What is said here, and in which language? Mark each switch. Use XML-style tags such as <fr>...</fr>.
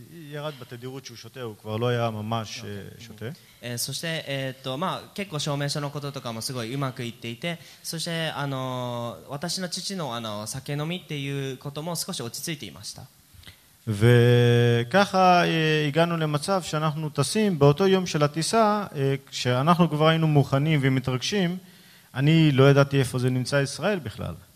<he>ירד בתדירות שהוא שותה, הוא כבר לא היה ממש שותה.</he> <ja>そして結構証明書のこととかもすごいうまくいっていて、そして私の父の酒飲みっていうことも少し落ち着いていました。</ja> <he>וככה הגענו למצב שאנחנו טסים באותו יום של הטיסה, כשאנחנו כבר היינו מוכנים ומתרגשים, אני לא ידעתי איפה זה נמצא ישראל בכלל.</he>